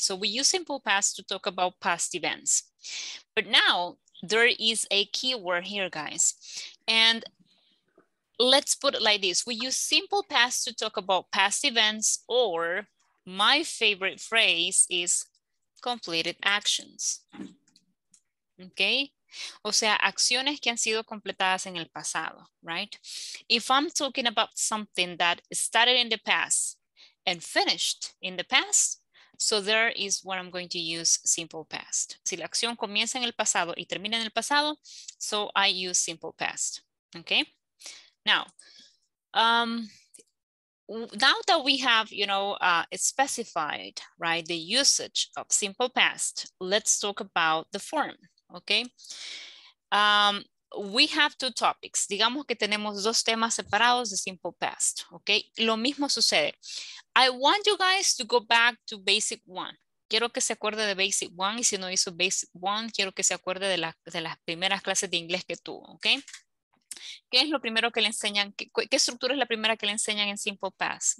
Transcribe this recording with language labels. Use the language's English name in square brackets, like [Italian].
[English] So we use simple past to talk about past events. But now there is a keyword here, guys. And let's put it like this. We use simple past to talk about past events, or my favorite phrase is completed actions. Okay? [Spanish] O sea, acciones que han sido completadas en el pasado, right? [English] If I'm talking about something that started in the past and finished in the past, so there is where I'm going to use simple past. [Spanish] Si la acción comienza en el pasado y termina en el pasado, [English] so I use simple past, okay? Now, now that we have, you know, specified, right, the usage of simple past, let's talk about the form. Okay, we have two topics. [Spanish] Digamos que tenemos dos temas separados de simple past. Okay, lo mismo sucede. [English] I want you guys to go back to basic one. [Spanish] Quiero que se acuerde de basic one. Y si no hizo basic one, quiero que se acuerde de las primeras clases de inglés que tuvo. Okay, ¿qué es lo primero que le enseñan? ¿Qué estructura es la primera que le enseñan en simple past?